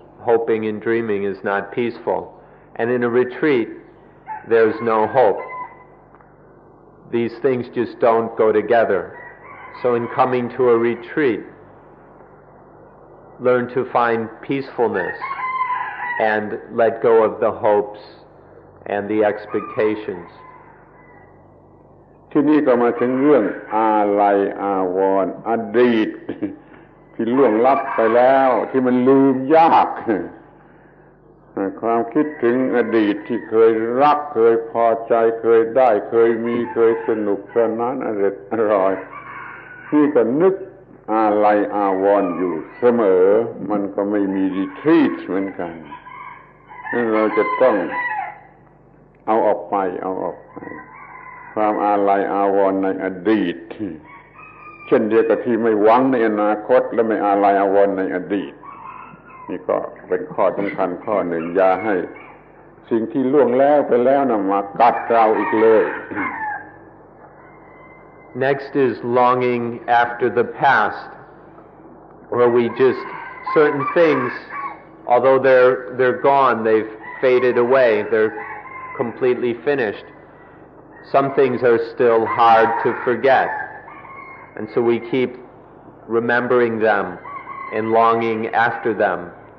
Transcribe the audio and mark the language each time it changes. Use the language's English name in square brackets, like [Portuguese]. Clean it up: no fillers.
[English] Hoping and dreaming is not peaceful. And in a retreat, there's no hope. These things just don't go together. So in coming to a retreat, learn to find peacefulness and let go of the hopes. And the expectations. [Thai] ที่นี่ก็มาถึงเรื่องอาลัยอาวรณ์อดีตที่ล่วงลับไปแล้วที่มันลืมยากความคิดถึงอดีตที่เคยรักเคยพอใจเคยได้เคยมีเคยสนุกสนานอร่อยนี่ก็นึกอาลัยอาวรณ์อยู่เสมอมันก็ไม่มีรีทรีทเหมือนกันนั่นเราจะต้อง เอาออกไปเอาออกไปความอาลัยอาวรณ์ในอดีตเช่นเดียวกับที่ไม่หวังในอนาคตและไม่อาลัยอาวรณ์ในอดีตนี่ก็เป็นข้อสำคัญข้อหนึ่งอย่าให้สิ่งที่ล่วงแล้วไปแล้วนะมากัดเราอีกเลย [English] Next is longing after the past where we just certain things although they're gone they've faded away they'recompletely finished. Some things are still hard to forget. And so we keep remembering them and longing after them.